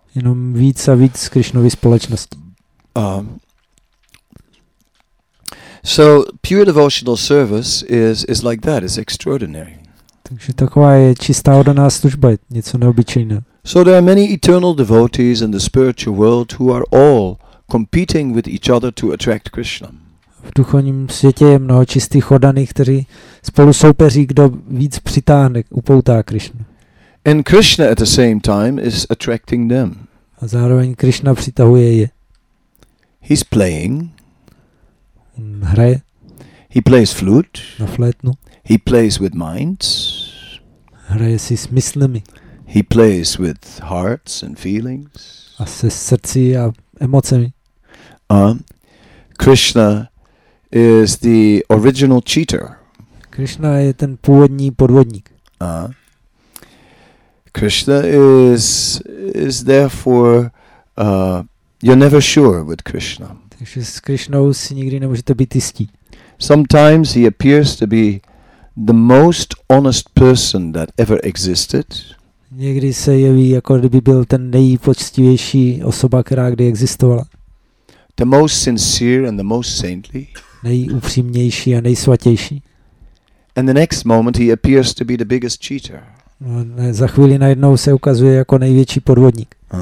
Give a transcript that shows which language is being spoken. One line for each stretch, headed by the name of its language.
Czech: Jenom víc a víc Krishnovy společnosti.
English: So pure devotional service is like that. It's extraordinary.
Czech: Takže taková je čistá oddaná služba, něco neobyčejného.
English: So there are many eternal devotees in the spiritual world who are all competing with each other to attract Krishna.
Czech: V duchovním světě je mnoho čistých oddaných, kteří spolu soupeří, kdo víc přitáhne, upoutá Krishnu.
English: And Krishna at the same time is attracting them.
Czech: A zároveň Krishna přitahuje je.
English: He's playing.
Czech: Hraje.
English: He plays flute.
Czech: Na flétnu.
English: He plays with minds.
Czech: Hraje si s myslemi.
English: He plays with hearts and feelings.
Czech: A se srdci a emocemi.
English: Krishna is the original cheater.
Czech: Krishna je ten původní podvodník.
English: Krishna is therefore you're never sure with Krishna.
Czech: Takže s Krishnou si nikdy nemůžete být jistí.
English: Sometimes he appears to be the most honest person that ever existed.
Czech: Někdy se jeví, jako kdyby byl ten nejpoctivější osoba, která kdy existovala.
English: The most sincere and the most saintly.
Czech: Nejupřímnější a nejsvatější.
English: And the next moment he appears to be the biggest cheater.
Czech: No, za chvíli najednou se ukazuje jako největší podvodník.